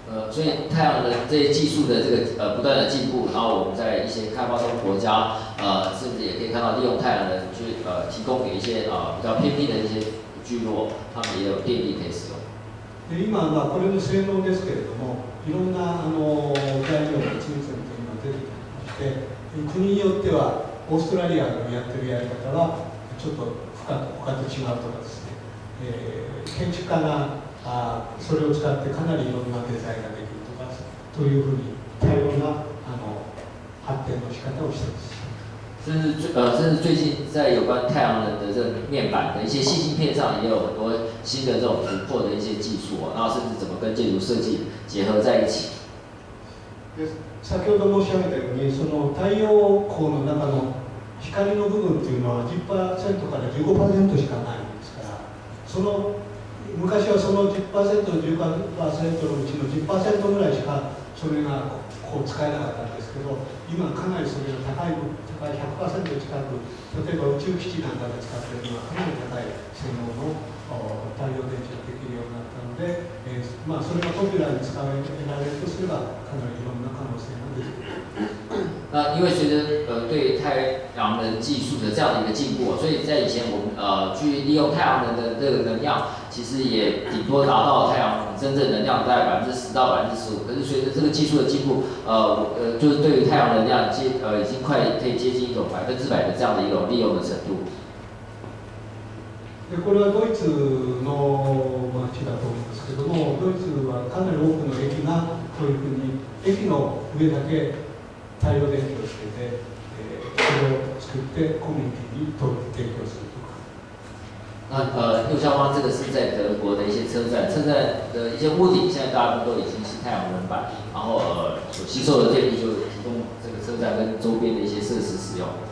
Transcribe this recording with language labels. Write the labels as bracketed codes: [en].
[zh] 所以太阳能这些技术的这个不断的进步，然后我们在一些开发中国家甚至也可以看到利用太阳能去提供给一些比较偏僻的一些聚落，他们也有电力可以使用。 [ja] で今はこれの性能ですけれども、いろんな材料が次々と今出てきまして、国によってはオーストラリアのやってるやり方はちょっと他と違うとかですね、建築家がそれを使ってかなりいろんなデザインができるとか、というふうに多様な発展の仕方をしています。 [zh] 甚至最近在有关太阳能的这个面板的一些细芯片上，也有很多新的这种突破的一些技术，然后甚至怎么跟建筑设计结合在一起。 [ja] 先ほど申し上げたように、その太陽光の中の光の部分というのは 10% から 15% しかないんですから、その昔はその 10% 15% のうちの 10% ぐらいしかそれがこう使えなかったんですけど、今はかなりそれが高い分。 100% 近く、例えば宇宙基地なんかで使っているのはかなり高い性能の太陽電池ができるようになったので、まあ、それがポピュラーに使われるとすれば、かなりいろんな可能性が出てくる。 [zh] 那因为随着对太阳能技术的这样的一个进步，所以在以前我们去利用太阳能的这个能量，其实也顶多达到太阳能真正能量在10%到15%。可是随着这个技术的进步，就是对于太阳能量已经快可以接近一种100%的这样的一种利用的程度。 [ja] これはドイツの街だと思うんですけども、ドイツはかなり多くの駅がこういうふうに駅の上だけ太陽電気をつけて、それを作ってコミュニティに取り提供するとか。 [zh] 那右下方这个是在德国的一些车站，车站的一些屋顶现在大部分都已经是太阳能板，然后所吸收的电力就提供这个车站跟周边的一些设施使用。